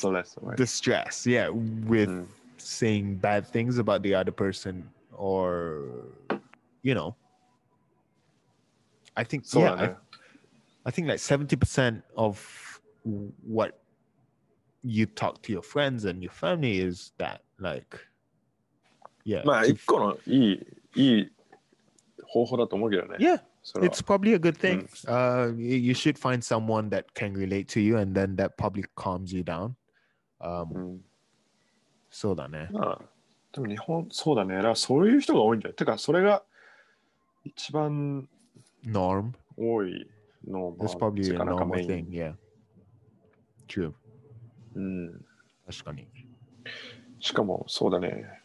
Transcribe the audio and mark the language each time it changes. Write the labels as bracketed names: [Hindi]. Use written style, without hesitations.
[English] the stress, yeah, with saying bad things about the other person or, you know. I think, so, yeah, I think like 70% of what you talk to your friends and your family is that like, yeah. [Japanese] まあ一個のいい、いい方法だと思うけどね。 [English] Yeah, it's probably a good thing. You should find someone that can relate to you and then that probably calms you down. [Japanese] そうだね。でも日本、そうだね。だからそういう人が多いんじゃない？てかそれが一番 [English] norm [Japanese] 多い。 [English] No, that's probably a normal thing, yeah. True. [Japanese] 確かに。しかも、そうだね。